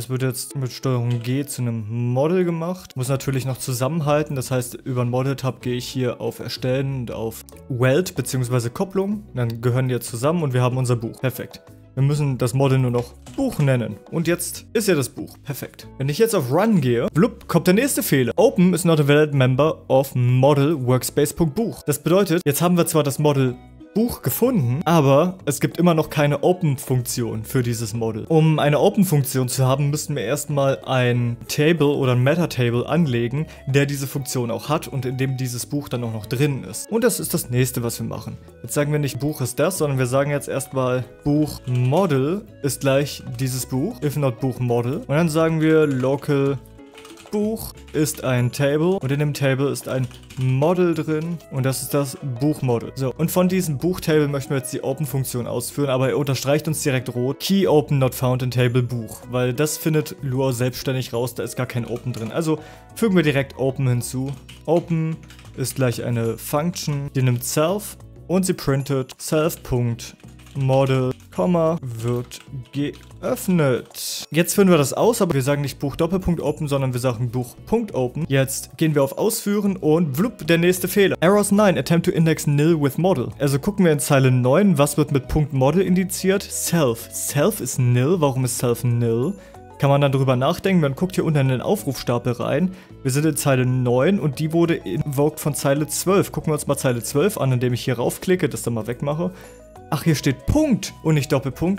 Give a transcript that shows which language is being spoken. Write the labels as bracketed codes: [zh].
[de] Das wird jetzt mit Steuerung G zu einem Model gemacht. Muss natürlich noch zusammenhalten, das heißt über den Model-Tab gehe ich hier auf Erstellen und auf Weld bzw. Kopplung. Dann gehören die jetzt zusammen und wir haben unser Buch. Perfekt. Wir müssen das Model nur noch Buch nennen. Und jetzt ist ja das Buch. Perfekt. Wenn ich jetzt auf Run gehe, blub, kommt der nächste Fehler. [en] Open is not a valid member of model workspace.buch. [de] Das bedeutet, jetzt haben wir zwar das Model Buch gefunden, aber es gibt immer noch keine Open-Funktion für dieses Model. Um eine Open-Funktion zu haben, müssten wir erstmal ein Table oder ein Meta-Table anlegen, der diese Funktion auch hat und in dem dieses Buch dann auch noch drin ist. Und das ist das nächste, was wir machen. Jetzt sagen wir nicht Buch ist das, sondern wir sagen jetzt erstmal Buch Model ist gleich dieses Buch, if not Buch Model. Und dann sagen wir local Buch ist ein Table und in dem Table ist ein Model drin und das ist das Buchmodel. So, und von diesem Buchtable möchten wir jetzt die Open-Funktion ausführen, aber er unterstreicht uns direkt rot [en] Key Open Not Found in Table Buch, [de] weil das findet Lua selbstständig raus, da ist gar kein Open drin. Also fügen wir direkt Open hinzu. Open ist gleich eine Function, die nimmt Self und sie printet self.model, wird geöffnet. Jetzt führen wir das aus, aber wir sagen nicht Buch:Open, sondern wir sagen Buch.open. Jetzt gehen wir auf Ausführen und blub, der nächste Fehler. [en] Errors 9, attempt to index nil with model. [de] Also gucken wir in Zeile 9, was wird mit Punkt.model indiziert? Self. Self ist nil, warum ist self nil? Kann man dann darüber nachdenken, man guckt hier unten in den Aufrufstapel rein. Wir sind in Zeile 9 und die wurde invoked von Zeile 12. Gucken wir uns mal Zeile 12 an, indem ich hier raufklicke, das dann mal wegmache. Ach, hier steht Punkt und nicht Doppelpunkt.